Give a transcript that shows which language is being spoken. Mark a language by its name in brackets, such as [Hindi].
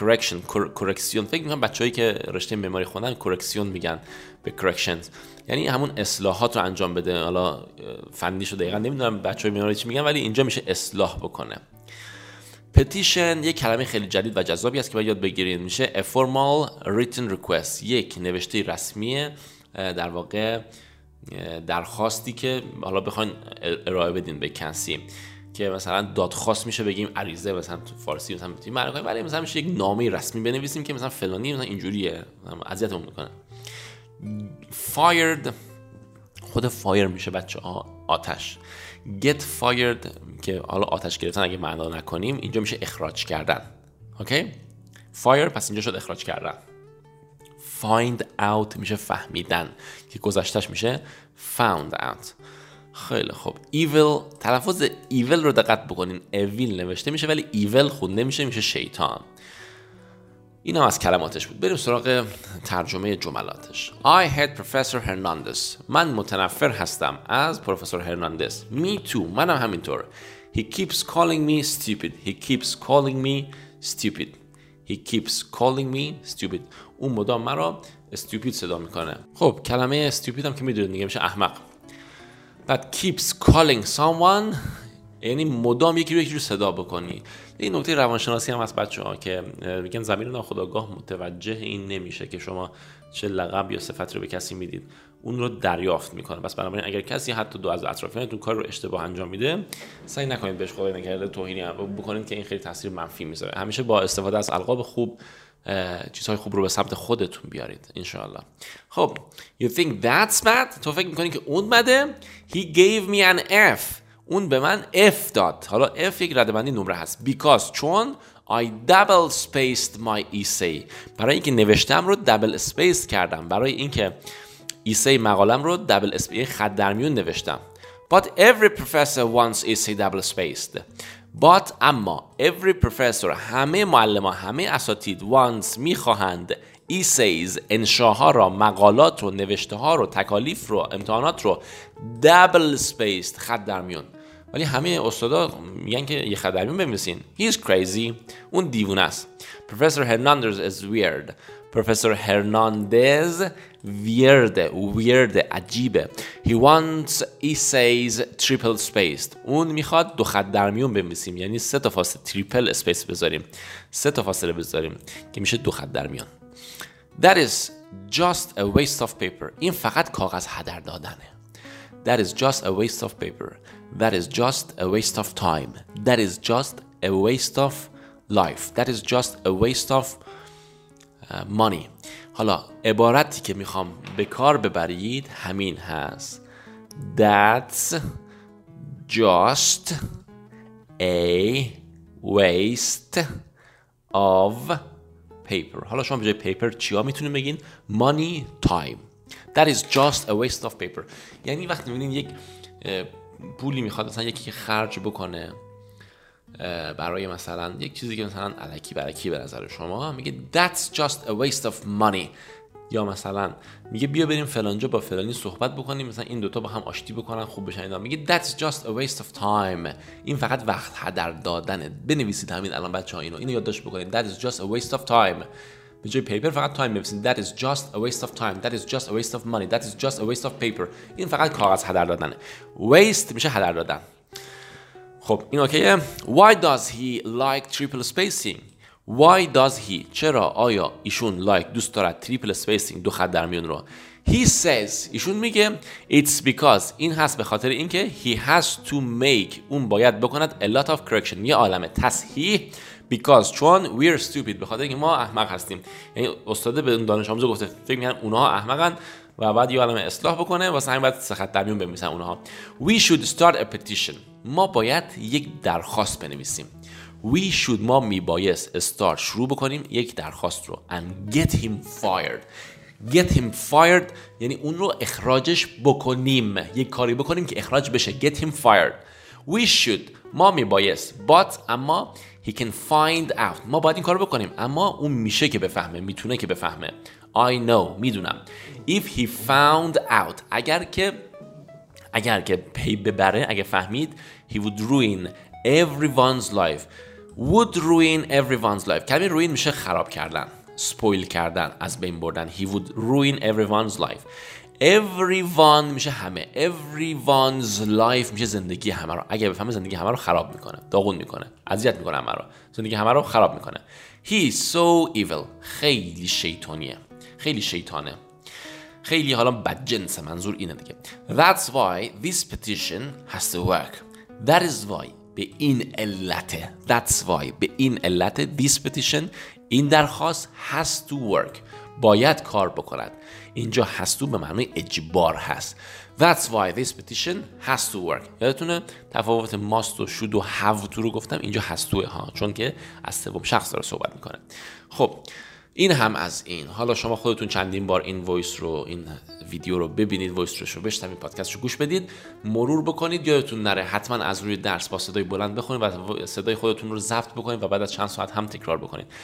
[English] Correction correction. [Persian] فکر میکنم بچه هایی که رشته معماری خوندن correction میگن به corrections، یعنی همون اصلاحات رو انجام بده. حالا فندیشو دقیقا نمیدونم بچه های معماری چی میگن، ولی اینجا میشه اصلاح بکنه. Petition یک کلمه خیلی جدید و جذابی است که باید یاد بگیرین. [English] میشه A formal written request. [Persian] یک نوشته رسمیه در واقع، درخواستی که حالا بخواین ارائه بدین به کسی، که مثلا دادخواست میشه بگیم عریضه مثلا تو فارسی مثلا بتونیم معنی کنیم، ولی مثلا میشه یک نامه رسمی بنویسیم که مثلا فلانی مثلا اینجوریه اذیتمون میکنه. fired خود fire میشه بچه ها آتش. get fired که حالا آتش گرفتن اگه معنا نکنیم، اینجا میشه اخراج کردن. اوکی fire پس اینجا شد اخراج کردن. find out میشه فهمیدن که گذشتش میشه found out. خیلی خوب. evil، تلفظ evil رو دقت بکنین. evil نوشته میشه ولی evil خونده میشه، میشه شیطان. این هم از کلماتش بود. بریم سراغ ترجمه جملاتش. [English] I hate Professor Hernandez. [Persian] من متنفر هستم از پروفسور هرناندز. [English] Me too. [Persian] منم همینطور. [English] He keeps calling me stupid. He keeps calling me stupid. He keeps calling me stupid. [Persian] اون مدام مرا stupid صدا میکنه. خب کلمه stupid هم که میدونید دیگه میشه احمق. [English] But keeps calling someone [Persian] یعنی مدام یکی رو صدا بکنی. این نکته روانشناسی هم هست بچه‌ها که میگن زمین ناخودآگاه متوجه این نمیشه که شما چه لقب یا صفت رو به کسی میدید، اون رو دریافت میکنه. بس بنابراین اگر کسی حتی دو از اطرافیانتون کار رو اشتباه انجام میده، سعی نکنید بهش خدای نکرده توهینی بکنید که این خیلی تاثیر منفی میذاره. همیشه با استفاده از القاب خوب چیزهای خوب رو به سمت خودتون بیارید ان شاء الله. خب [English] you think that's bad، [Persian] تو فکر میکنی که اون بده. [English] He gave me an F، [Persian] اون به من F داد. حالا F یک ردبندی نمره هست. Because چون [English] I double spaced my essay، [Persian] برای اینکه نوشتم رو double spaced کردم، برای اینکه essay مقالم رو double spaced خط درمیون نوشتم. [English] But every professor wants essay double spaced. [Persian] But اما [English] every professor، [Persian] همه معلم ها، همه اساتید wants میخواهند essays انشاها را، مقالات رو، نوشته ها رو، تکالیف رو، امتحانات رو double spaced خط درمیون. ولی همه استادا میگن که یه خط درمیون بنویسین. [English] He is crazy، [Persian] اون دیوونه است. [English] Professor Hernandez is weird، Professor Hernandez weird عجیبه. He wants essays triple spaced، [Persian] اون میخواد دو خط درمیون بنویسیم، یعنی سه تا فاصله تریپل اسپیس بذاریم، سه تا فاصله بذاریم که میشه دو خط درمیون. [English] That is just a waste of paper، [Persian] این فقط کاغذ هدر دادنه. [English] That is just a waste of paper. That is just a waste of time. That is just a waste of life. That is just a waste of money. [Persian] حالا عبارتی که میخوام به کار ببرید همین هست. [English] That's just a waste of paper. [Persian] حالا شما به جای paper چیا میتونید بگین؟ Money, time. [English] That is just a waste of paper. [Persian] یعنی وقتی می‌بینین یک پولی می‌خواد مثلا یکی که خرج بکنه برای مثلا یک چیزی که مثلا الکی برکی به نظر شما، میگه [English] that's just a waste of money. [Persian] یا مثلا میگه بیا بریم فلانجا با فلانی صحبت بکنیم، مثلا این دوتا با هم آشتی بکنن خوب بشن، اینا میگه [English] that's just a waste of time، [Persian] این فقط وقت هدر دادنه. بنویسید همین الان بچه‌ها اینو، اینو یادداشت بکنید. [English] That is just a waste of time. [Persian] به جای پیپر فقط تایم میبسین. [English] That is just a waste of time. That is just a waste of money. That is just a waste of paper. [Persian] این فقط کاغذ هدر دادنه. Waste میشه هدر دادن. خب این اوکیه. [English] Why does he like triple spacing? Why does he؟ [Persian] چرا آیا ایشون like دوست دارد [English] triple spacing [Persian] دو خط درمیون رو؟ [English] He says، [Persian] ایشون میگه [English] it's because، [Persian] این هست به خاطر اینکه [English] he has to make، [Persian] اون باید بکند [English] a lot of correction، [Persian] یه عالمه تصحیح. Because چون [English] we are stupid، [Persian] به خاطر اینکه ما احمق هستیم، یعنی استاد به اون دانش آموز گفته فکر میگن اونها احمقن و بعد یه عالمه اصلاح بکنه واسه همین بعد سخت درمیون بنویسن اونها. [English] We should start a petition، [Persian] ما باید یک درخواست بنویسیم. [English] We should، [Persian] ما میبایست start، شروع بکنیم یک درخواست رو. [English] And get him fired. [Persian] Get him fired یعنی اون رو اخراجش بکنیم، یک کاری بکنیم که اخراج بشه. [English] Get him fired. We should، [Persian] ما میبایست. But اما [English] he can find out، [Persian] ما باید این کار بکنیم، اما اون میشه که بفهمه، میتونه که بفهمه. [English] I know، میدونم. If he found out، [Persian] اگر که پی ببره، اگر فهمید، [English] he would ruin everyone's life. [Persian] Would ruin everyone's life، کلمه ruin میشه خراب کردن، spoil کردن، از بین بردن. [English] He would ruin everyone's life. [Persian] Everyone میشه همه. Everyone's life میشه زندگی همه رو. اگه بفهمه زندگی همه رو خراب میکنه، داغون میکنه، اذیت میکنه همه رو، زندگی همه رو خراب میکنه. [English] He is so evil، [Persian] خیلی شیطانیه، خیلی شیطانه، خیلی حالا بدجنسه، منظور اینه دیگه. [English] That's why this petition has to work. That is why، [Persian] به این علته. [English] That's why، [Persian] به این علته. [English] This petition، [Persian] این درخواست، [English] has to work، [Persian] باید کار بکند. اینجا هستو به معنی اجبار هست. [English] That's why this petition has to work. [Persian] یادتونه تفاوت must و should و have to رو گفتم، اینجا هستوه ها، چون که از سوم شخص داره صحبت میکنه. خب این هم از این. حالا شما خودتون چندین بار این وایس رو، این ویدیو رو ببینید، وایس رو بشنوید، پادکست رو گوش بدید، مرور بکنید. یادتون نره حتما از روی درس با صدای بلند بخونید و صدای خودتون رو ضبط بکنید و بعد از چند ساعت هم تکرار بکنید.